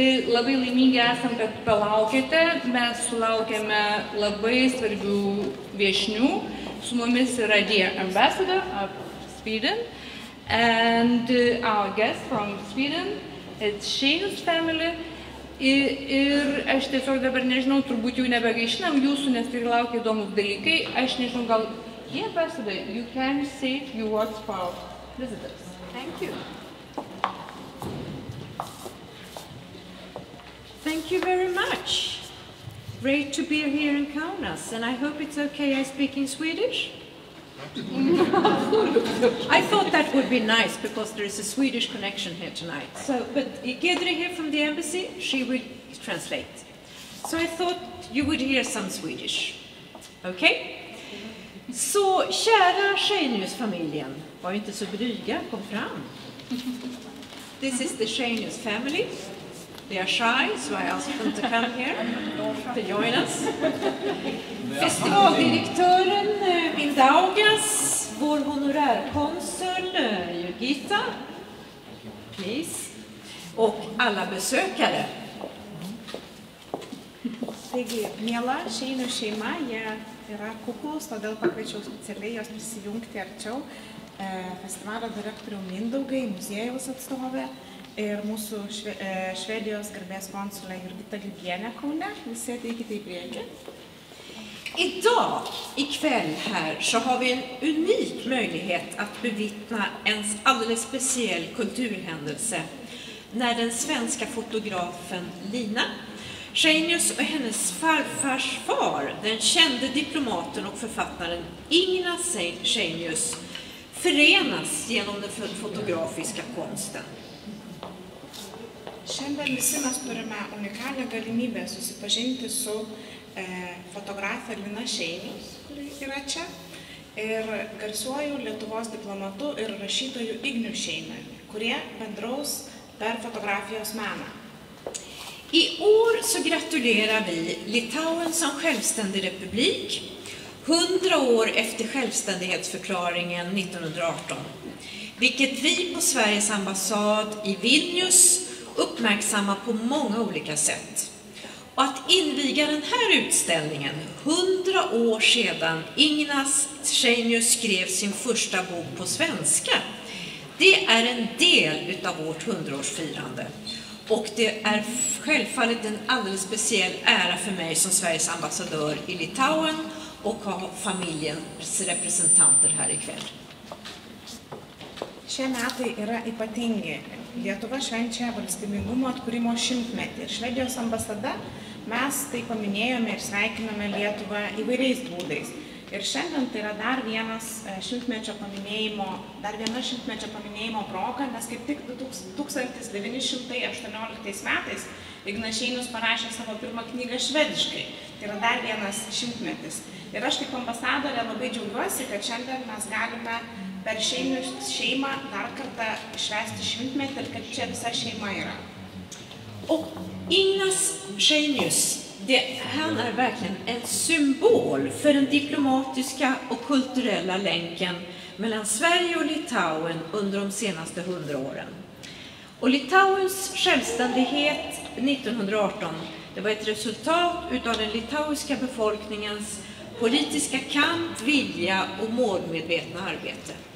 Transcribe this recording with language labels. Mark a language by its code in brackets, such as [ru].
[lt] Labai laimingi esam, kad palaukėte. Mes sulaukėme labai svarbių viešnių. Su mumis yra [en] dear ambassador of Sweden. And our guest from Sweden, it's Shane's family. [lt] Ir aš tiesiog dabar nežinau, turbūt jau nebegaišinam jūsų, nes tai laukia įdomus dalykai. Aš nežinau, gal [en] dear ambassador, you can say few words for our visitors. Thank you. Thank you very much. Great to be here in Kaunas, and I hope it's okay I speak in Swedish. I thought that would be nice because there is a Swedish connection here tonight. So, but Gedri here from the embassy, she would translate. So I thought you would hear some Swedish. Okay? [sv] Så kära Shanius-familjen, var inte så bryga, kom fram. [en] This is the Shanius family. They are shy, so I asked them to come here to join us. [sv] Festivaldirektören Vildaugas, vår honorärkonsul Jurgita, please, och alla besökare. [lt] Taigi, miela Šeinių šeima, jie yra kuklus, todėl pakviečiau specialiai jos prisijungti arčiau. Festivalio direktorių Mindaugai, muziejaus atstovė. Ir mūsų Švedijos garbės konsulė Jurgita Lygienė Kaune. Visi ateikite į priekį. [sv] Idag, i kväll här, så har vi en unik möjlighet att bevittna en alldeles speciell kulturhändelse när den svenska fotografen Lina Shanius och hennes farfars far, den kände diplomaten och författaren Ingela Shanius, förenas genom den fotografiska konsten. [lt] Šiandien visi mes turime unikalią galimybę susipažinti su fotografe Lina Shanius, kuri yra čia, ir garsiuoju Lietuvos diplomatu ir rašytoju Igniu Shanium, kurie bendraus per fotografijos meną. [sv] I år så gratulerar vi Litauen som självständig republik, 100 år efter självständighetsförklaringen 1918, vilket vi på Sveriges ambassad i Vilnius uppmärksamma på många olika sätt. Och att inviga den här utställningen 100 år sedan Ingela Shanius skrev sin första bok på svenska, det är en del utav vårt 100-årsfirande. Och det är självfallet en alldeles speciell ära för mig som Sveriges ambassadör i Litauen och ha familjens representanter här ikväll. [lt] Šiemetai yra ypatingi. Lietuva švenčia valstybingumo atkūrimo 100-metį. Ir Švedijos ambasada, mes tai paminėjome ir sveikiname Lietuvą įvairiais būdais. Ir šiandien tai yra dar viena šimtmečio paminėjimo proga, nes kaip tik 1918 metais Ignas Šeinius parašė savo pirmą knygą švediškai. Tai yra dar vienas šimtmetis. Ir aš kaip ambasadorė labai džiaugiuosi, kad šiandien mes galime per šeimą dar kartą švęsti šimtmetį ir kad čia visa šeima yra. [sv] O Ignas Šeinius, han är verkligen en symbol för den diplomatiska och kulturella länken mellan Sverige och Litauen under de senaste 100 åren. Och Litauens självständighet 1918, det var ett resultat utav den litauiska befolkningens politiska kamp, vilja och målmedvetna arbete.